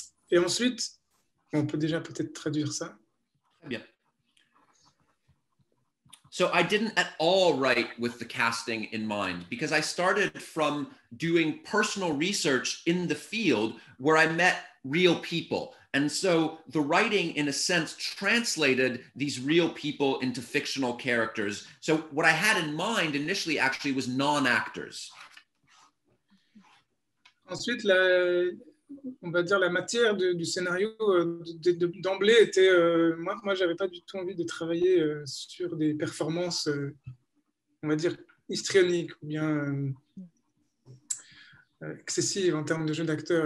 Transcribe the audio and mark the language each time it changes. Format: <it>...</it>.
<fr>Et ensuite, on peut déjà peut-être traduire ça. Très bien.</fr> <en>So I didn't at all write with the casting in mind, because I started from doing personal research in the field where I met real people. And so the writing, in a sense, translated these real people into fictional characters. So what I had in mind initially actually was non-actors.</en> <fr>Ensuite, la, on va dire, la matière du scénario d'emblée était... Moi, j'avais pas du tout envie de travailler sur des performances, on va dire, histrioniques ou bien excessives en termes de jeu d'acteur.</fr>